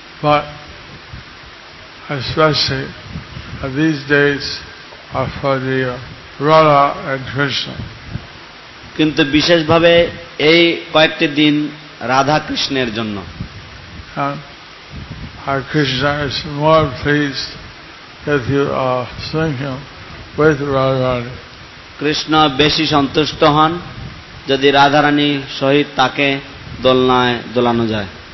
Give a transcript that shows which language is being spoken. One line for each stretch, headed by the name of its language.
English: But especially these days are for the Radha and Krishna.
Bangla: কিন্তু বিশেষভাবে এই কয়েকটি দিন রাধা কৃষ্ণের জন্য।
English: Our Krishna is more pleased if you are seeing him with Radharani.
Bangla: Krishna বেশি সন্তুষ্ট হন যদি রাধারানী সহিত তাকে দোলনায় দোলানো যায়।